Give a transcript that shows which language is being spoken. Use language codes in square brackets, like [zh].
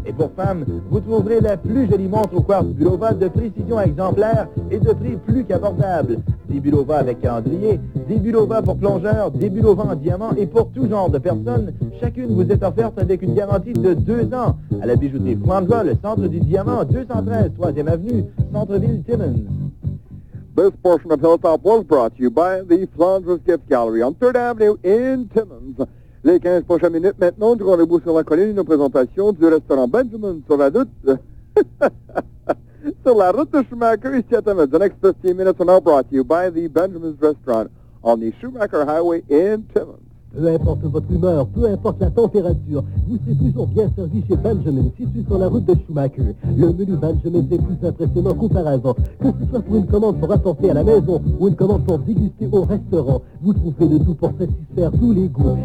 [fr] Et pour femmes, vous trouverez la plus jolie montre au quartz Bulova de précision exemplaire et de prix plus qu'abordable. Des Bulova avec calendrier, des Bulova pour plongeurs, des Bulova en diamant et pour tout genre de personnes, chacune vous est offerte avec une garantie de 2 ans. À la bijouterie Flandre, le centre du diamant, 213 3e avenue, centre-ville Timmins. [en] This portion of Hilltop was brought to you by the Flandre's Gift Gallery on 3rd Avenue in Timmins. [fr] Les 15 prochaines minutes maintenant, du rendez-vous sur la colline, une présentation du restaurant Benjamin sur la route... sur la route de Schumacher, ici à Timmins. [en] The next 15 minutes are now brought to you by the Benjamin's Restaurant on the Schumacher Highway in Timmins. [fr] Peu importe votre humeur, peu importe la température, vous serez toujours bien servi chez Benjamin, situé sur la route de Schumacher. Le menu Benjamin est plus impressionnant qu'auparavant. Que ce soit pour une commande pour apporter à la maison ou une commande pour déguster au restaurant, vous trouverez de tout pour satisfaire tous les goûts.